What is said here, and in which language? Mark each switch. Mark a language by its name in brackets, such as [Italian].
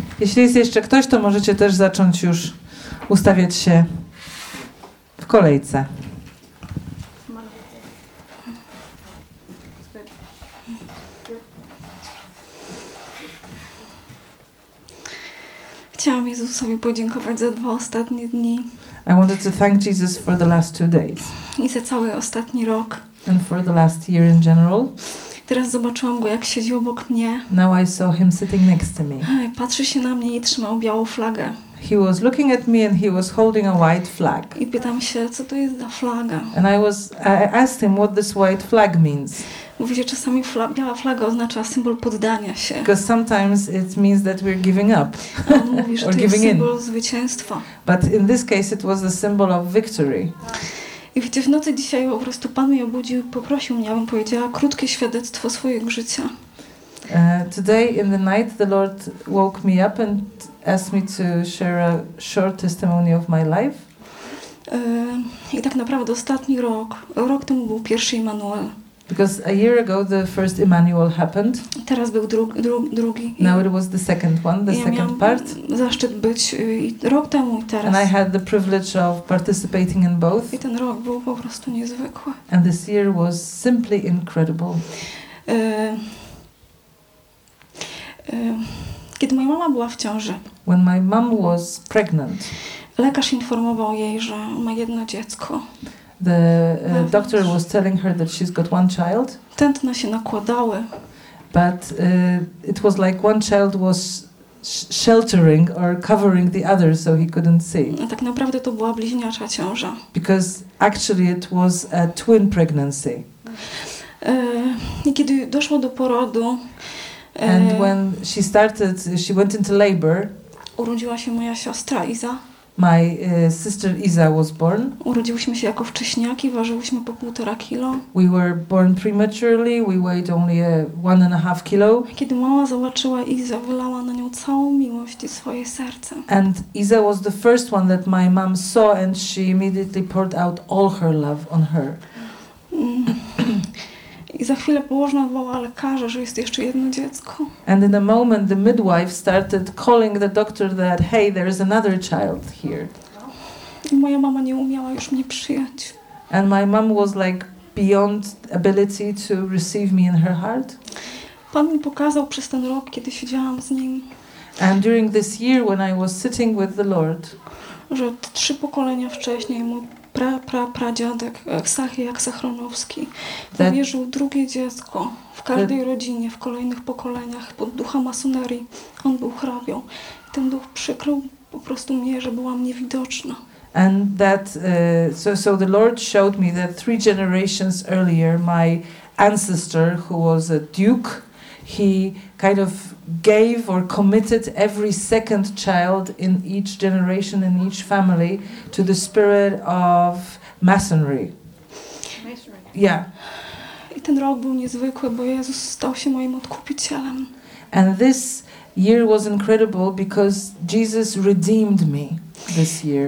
[Polish] Jeśli jest jeszcze ktoś, to możecie też zacząć już ustawiać się w kolejce. Chciałam Jezusowi podziękować za dwa ostatnie dni. [English] I wanted to thank Jesus for the last two days. [Polish] I za cały ostatni rok. [English] And for the last year in general. [Polish] Teraz zobaczyłam go, jak siedzi obok mnie. [English] Now I saw him sitting next to me. [Polish] Patrzy się na mnie i trzymał białą flagę. [English] He was looking at me and he was holding a white flag. [Polish] I pytam się, co to jest za flaga. [English] And I asked him what this white flag means. [Polish] Mówi, że czasami biała flaga oznacza symbol poddania się. [English] Because sometimes it means that we're giving up. [Polish] A on mówi, że to jest symbol zwycięstwa. [English] But in this case it was a symbol of victory. [Polish] I wiecie, w nocy dzisiaj po prostu Pan mnie obudził i poprosił mnie, abym powiedziała krótkie świadectwo swojego życia. [English] Today in the night the Lord woke me up and asked me to share a short testimony of my life. [Polish] I tak naprawdę ostatni rok temu był pierwszy Immanuel. [English] Because a year ago the first Immanuel happened. [Polish] Teraz był drugi. [English] Now it was the second one, the second part. [Polish] Zaszczyt być rok temu i teraz. [English] And I had the privilege of participating in both. [Polish] I ten rok był po prostu niezwykły. [English] And this year was simply incredible. [Polish] Kiedy moja mama była w ciąży. [English] When my mom was pregnant. [Polish] Lekarz informował jej, że ma jedno dziecko. [English] The doctor was telling her that she's got one child. [Polish] Tętna się nakładały. [English] But it was like one child was sheltering or covering the other so he couldn't see. [Polish] A tak naprawdę to była bliźniacza ciąża. [English] Because actually it was a twin pregnancy. [Polish] Kiedy doszło do porodu. [English] And when she started, she went into labor. [Polish] Urodziła się moja siostra Iza. [English] My sister Iza was born. [Polish] Urodziłyśmy się jako wcześniaki, ważyłyśmy po 1.5 kilo. [English] We were born prematurely, we weighed only 1.5 kilo. [Polish] Kiedy mama zobaczyła Izę, wylała na nią całą miłość i swoje serce. [English] And Iza was the first one that my mom saw and she immediately poured out all her love on her. [Polish] I za chwilę położna wołała lekarza, że jest jeszcze jedno dziecko. [English] And in a moment the midwife started calling the doctor that, hey, there is another child here. [Polish] I moja mama nie umiała już mnie przyjąć. [English] And my mom was like beyond ability to receive me in her heart. [Polish] Pan mi pokazał przez ten rok, kiedy siedziałam z nim. [English] And during this year when I was sitting with the Lord. [Polish] Że 3 pokolenia wcześniej mój pra-pra-pradziadek Sachiach Sachronowski zawierzył drugie dziecko w każdej rodzinie, w kolejnych pokoleniach pod ducha masonerii. On był hrabią. Ten duch przykrył po prostu mnie, że byłam niewidoczna. [English] And that so the Lord showed me that three generations earlier my ancestor, who was a duke, he kind of gave or committed every second child in each generation, in each family, to the spirit of masonry. Yeah. [Polish] I ten rok był niezwykły, bo Jezus stał się moim odkupicielem. [English] And this year was incredible because Jesus redeemed me this year.